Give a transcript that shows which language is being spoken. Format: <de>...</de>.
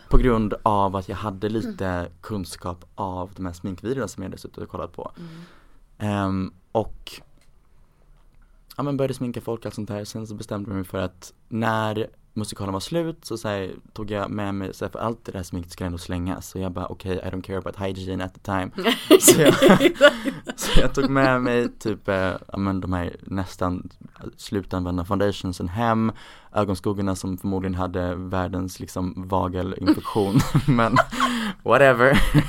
<sv>På grund av att jag hade lite kunskap av de här sminkvideorna som jag hade suttit och kollat på. Mm. Och ja, men började sminka folk och allt sånt här. Sen så bestämde jag mig för att när musikalen var slut så, så här, tog jag med mig, så här, för allt det där sminket skulle ändå slängas. Så jag bara, okej,</sv> <en>okay, I don't care about hygiene at the time.</en> <sv>Så jag tog med mig typ de här nästan slutanvända foundationsen hem. Ögonskuggorna som förmodligen hade världens liksom vagelinfektion. Men whatever.</sv>